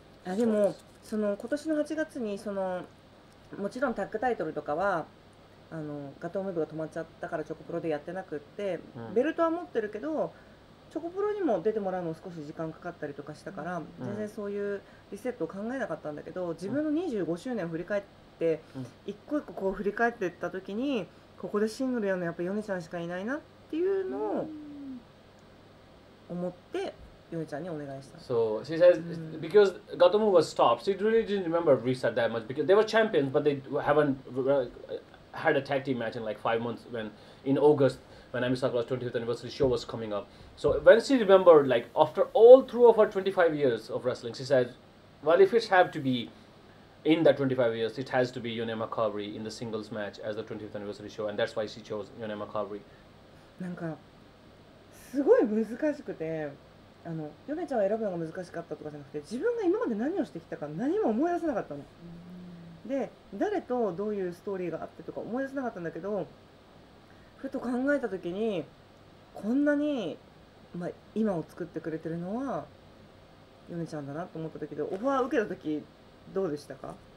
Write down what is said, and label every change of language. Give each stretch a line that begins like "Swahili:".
Japanese: あ、でも、その今年の8月に、その、もちろんタッグタイトルとかは、あの、ガトームーブが止まっちゃったからチョコプロでやってなくって、ベルトは持ってるけど、チョコプロにも出てもらうの少し時間かかったりとかしたから、全然そういうリセットを考えなかったんだけど、自分の25周年を振り返って、一個一個こう振り返っていった時に、ここでシングルやるのやっぱヨネちゃんしかいないなっていうのを思ってヨネちゃんにお願いした。
English: So she says because Gatomu was stopped, she really didn't remember reset that much because they were champions, but they haven't had a tag team match in like 5 months when in August. When Ami Sakura's 20th anniversary show was coming up. So when she remembered, like, after all through of her 25 years of wrestling, she said, well, if it had to be in that 25 years, it has to be Yoneyama Kaori in the singles match as the 20th anniversary show. And that's why she chose Yoneyama Kaori.
Japanese: なんか、すごい難しくて、あの、ヨネちゃんを選ぶのが難しかったとかじゃなくて、自分が今まで何をしてきたか何も思い出せなかったの。で誰とどういうストーリーがあってとか思い出せなかったんだけど、ふと考えた時にこんなに、まあ、今を作ってくれてるのはヨネちゃんだなと思った時で、オファー受けた時どうでしたか？